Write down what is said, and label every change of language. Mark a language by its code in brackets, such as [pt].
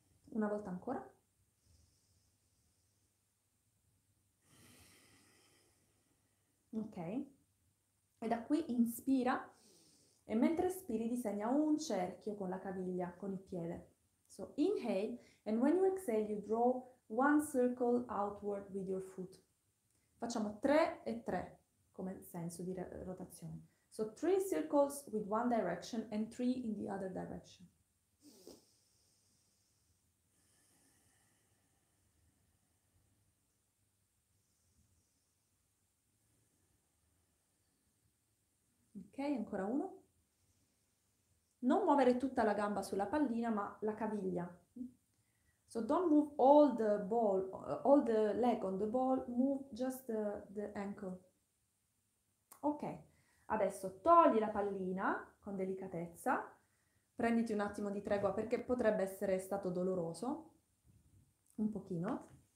[it] Una volta ancora. Ok, e da qui inspira e mentre espiri disegna un cerchio con la caviglia, con il piede. [en] So inhale and when you exhale you draw one circle outward with your foot. [it] Facciamo 3 e 3 come senso di rotazione. [en] So, 3 circles with one direction and 3 in the other direction. [it] Ok, ancora uno. Non muovere tutta la gamba sulla pallina, ma la caviglia. [en] So don't move all the leg on the ball, move just the ankle. [it] Ok, adesso togli la pallina con delicatezza, prenditi un attimo di tregua perché potrebbe essere stato doloroso, un pochino.